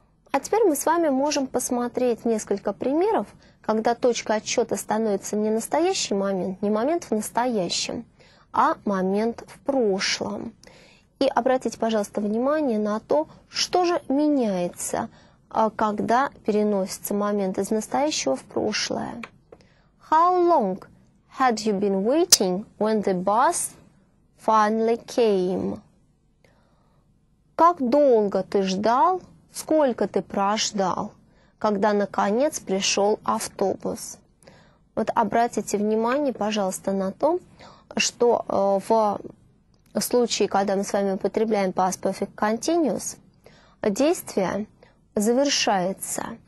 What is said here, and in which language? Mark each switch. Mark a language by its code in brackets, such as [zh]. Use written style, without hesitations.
[ru] А теперь мы с вами можем посмотреть несколько примеров, когда точка отсчета становится не настоящий момент, не момент в настоящем, а момент в прошлом. И обратите, пожалуйста, внимание на то, что же меняется, когда переносится момент из настоящего в прошлое. [en] How long had you been waiting when the bus finally came? [ru] Как долго ты ждал, сколько ты прождал, когда наконец пришел автобус? Вот обратите внимание, пожалуйста, на то, что в случае, когда мы с вами употребляем past perfect continuous, действие завершается.